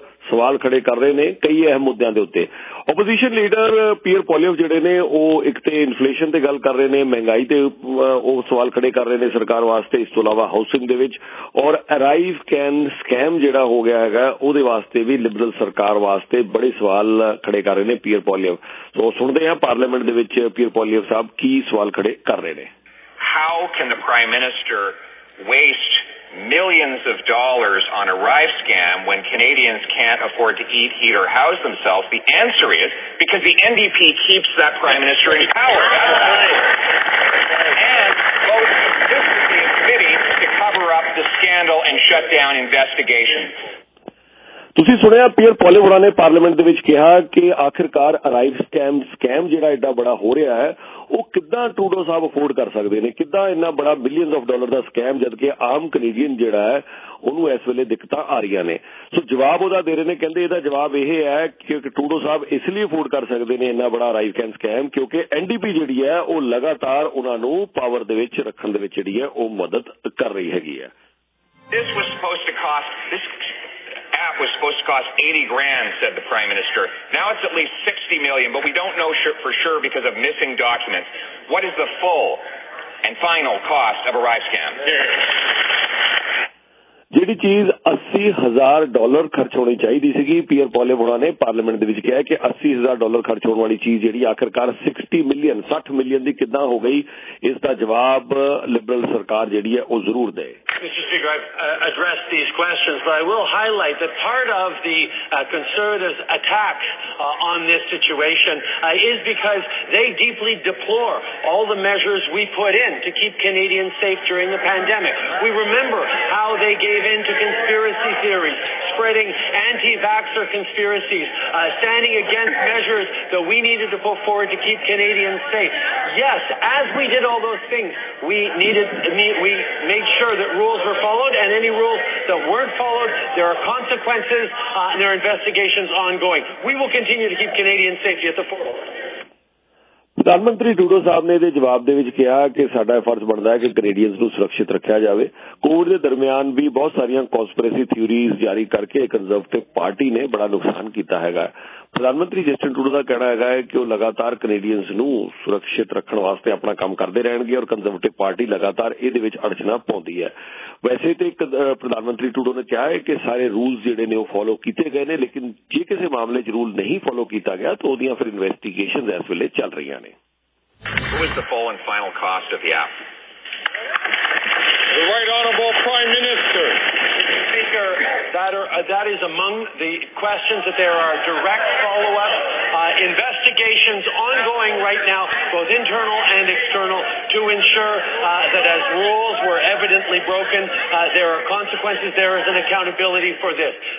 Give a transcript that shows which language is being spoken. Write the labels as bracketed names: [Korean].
[Punjabi] ਸਵਾਲ ਖੜੇ ਕਰ ਰਹੇ ਨੇ ਕਈ ਅਹਿਮ ਮੁੱਦਿਆਂ ਦੇ ਉੱਤੇ opposition leader P R polio ਜਿਹੜੇ ਨੇ ਉਹ ਇੱਕ ਤੇ ਇਨਫਲੇਸ਼ਨ ਤੇ ਗੱਲ ਕਰ ਰਹੇ ਨੇ ਮਹਿੰਗਾਈ ਤੇ ਉਹ ਸਵਾਲ ਖੜੇ ਕਰ ਰਹੇ ਨੇ ਸਰਕਾਰ ਵਾਸਤੇ ਇਸ ਤੋਂ ਇਲਾਵਾ ਹਾਊਸਿੰਗ ਦੇ ਵਿੱਚ ਔਰ ਅਰਾਈਵ ਕੈਨ ਸਕੈਮ ਜਿਹੜਾ ਹੋ ਗਿਆ ਹੈਗਾ ਉਹਦੇ ਵਾਸਤੇ ਵੀ ਲਿਬਰਲ ਸਰਕਾਰ ਵਾਸਤੇ ਬੜੇ ਸਵਾਲ ਖੜੇ ਕਰ ਰਹੇ ਨੇ ਪੀ ਆਰ ਪੋਲੀਓ ਸੋ ਸੁਣਦੇ ਹਾਂ ਪਾਰਲੀਮੈਂਟ ਦੇ ਵਿੱਚ ਪੀ ਆਰ ਪੋਲੀਓ ਸਾਹਿਬ ਕੀ ਸਵਾਲ ਖੜੇ ਕਰ ਰਹੇ ਨੇ [English] how can the Prime Minister waste millions of dollars on a Rife scam when Canadians can't afford to eat, heat, or house themselves? The answer is because the NDP keeps that Prime Minister in power. And most of this is the committee to cover up the scandal and shut down investigations. [Punjabi] ਤੁਸੀਂ ਸੁਣਿਆ peer ਪੋਲੇਵਰਾ ਨੇ parliament ਦੇ ਵਿੱਚ ਕਿਹਾ ਕਿ ਆਖਿਰਕਾਰ arrive scam ਜਿਹੜਾ ਐਡਾ ਬੜਾ ਹੋ ਰਿਹਾ ਹੈ ਉਹ ਕਿੱਦਾਂ ਟੂਡੋ ਸਾਹਿਬ ਅਫੋਰਡ ਕਰ ਸਕਦੇ ਨੇ, ਕਿੱਦਾਂ ਇੰਨਾ ਬੜਾ billions of dollar ਦਾ scam ਜਦਕਿ ਆਮ ਕੈਨੇਡੀਅਨ ਜਿਹੜਾ ਹੈ ਉਹਨੂੰ ਇਸ ਵੇਲੇ ਦਿੱਕਤਾਂ ਆ ਰਹੀਆਂ ਨੇ। ਸੋ ਜਵਾਬ ਉਹਦਾ ਦੇ ਰਹੇ ਨੇ, ਕਹਿੰਦੇ ਇਹਦਾ ਜਵਾਬ ਇਹ ਹੈ ਕਿ ਟੂਡੋ ਸਾਹਿਬ ਇਸ ਲਈ ਅਫੋਰਡ ਕਰ ਸਕਦੇ ਨੇ ਇੰਨਾ ਬੜਾ ਅਰਾਈਵ ਕੈਮ ਸਕੈਮ ਕਿਉਂਕਿ ਐਨਡੀਪੀ ਜਿਹੜੀ ਹੈ ਉਹ ਲਗਾਤਾਰ ਉਹਨਾਂ ਨੂੰ ਪਾਵਰ ਦੇ ਵਿੱਚ ਰੱਖਣ ਦੇ ਵਿੱਚ ਜਿਹੜੀ ਹੈ ਉਹ ਮਦਦ ਕਰ ਰਹੀ ਹੈਗੀ ਹੈ। [English] App was supposed to cost 80 grand, said the Prime Minister. Now it's at least 60 million, but we don't know for sure because of missing documents. What is the full and final cost of a Rife scam? [Punjabi] ਜਿਹੜੀ ਚੀਜ਼ $80,000 ਖਰਚ ਹੋਣੀ ਚਾਹੀਦੀ ਸੀਗੀ, peer ਪੋਲੇਵਰਾ ਨੇ parliament ਦੇ ਵਿੱਚ ਕਿਹਾ ਕਿ $80,000 ਖਰਚ ਹੋਣ ਵਾਲੀ ਚੀਜ਼ ਜਿਹੜੀ ਆਖਿਰਕਾਰ 60 million ਦੀ ਕਿੱਦਾਂ ਹੋ ਗਈ, ਇਸ ਦਾ ਜਵਾਬ ਲਿਬਰਲ ਸਰਕਾਰ ਜਿਹੜੀ ਹੈ ਉਹ ਜ਼ਰੂਰ ਦੇ। [English] Mr. Speaker, I've addressed these questions, but I will highlight that part of the conservatives' attack on this situation is because they deeply deplore all the measures we put in to keep Canadians safe during the pandemic. We remember how they gave in to conspiracy theories, spreading anti-vaxxer conspiracies, standing against measures that we needed to put forward to keep Canadians safe. Yes, as we did all those things, we made sure that rules were followed, and any rules that weren't followed, there are consequences, and there are investigations ongoing. We will continue to keep Canadian safety at the forefront. [Punjabi] ਪ੍ਰਧਾਨ ਮੰਤਰੀ ਟੂਡੋ ਸਾਹਿਬ ਨੇ ਇਹਦੇ ਜਵਾਬ ਦੇ ਵਿੱਚ ਕਿਹਾ ਕਿ ਸਾਡਾ ਫਰਜ਼ ਬਣਦਾ ਹੈ ਕਿ ਕੈਨੇਡੀਅਨਸ ਨੂੰ ਸੁਰੱਖਿਅਤ ਰੱਖਿਆ ਜਾਵੇ। ਕੋਵਿਡ ਦੇ ਦਰਮਿਆਨ ਵੀ ਬਹੁਤ ਸਾਰੀਆਂ ਕੌਨਸਪਰੇਸੀ ਥਿਊਰੀਜ਼ ਜਾਰੀ ਕਰਕੇ ਇੱਕ ਕੰਜ਼ਰਵੇਟਿਵ ਪਾਰਟੀ ਨੇ ਬੜਾ ਨੁਕਸਾਨ ਕੀਤਾ ਹੈਗਾ। ਪ੍ਰਧਾਨ ਮੰਤਰੀ ਜਸਟਿਨ ਟੂਡੋ ਦਾ ਕਹਿਣਾ ਹੈਗਾ ਕਿ ਉਹ ਲਗਾਤਾਰ ਕੈਨੇਡੀਅਨਸ ਨੂੰ ਸੁਰੱਖਿਅਤ ਰੱਖਣ ਵਾਸਤੇ ਆਪਣਾ ਕੰਮ ਕਰਦੇ ਰਹਿਣਗੇ ਔਰ ਕੰਜ਼ਰਵੇਟਿਵ ਪਾਰਟੀ ਲਗਾਤਾਰ ਇਹਦੇ ਵਿੱਚ ਅੜਚਣਾ ਪਾਉਂਦੀ ਹੈ। ਵੈਸੇ ਤੇ ਇੱਕ ਪ੍ਰਧਾਨ ਮੰਤਰੀ ਟੂਡੋ ਨੇ ਕਿਹਾ ਹੈ ਕਿ ਸਾਰੇ ਰੂਲਸ ਜਿਹੜੇ ਨੇ ਉਹ ਫਾਲੋ ਕੀਤੇ ਗਏ ਨੇ, ਲੇਕਿਨ ਜੇ ਕਿਸੇ ਮਾਮਲੇ 'ਚ ਰੂਲ ਨਹੀਂ ਫਾਲੋ ਕੀਤਾ ਗਿਆ ਤਾਂ ਉਹਦੀਆਂ ਫਿਰ ਇਨਵੈਸਟੀਗੇਸ਼ਨਸ ਇਸ ਵੇਲੇ ਚੱਲ ਰਹੀਆਂ ਨੇ। [English] Who is the full and final cost of the app? The Right Honourable Prime Minister. Speaker, that is among the questions that there are direct follow-up investigations ongoing right now, both internal and external, to ensure that as rules were evidently broken, there are consequences, there is an accountability for this.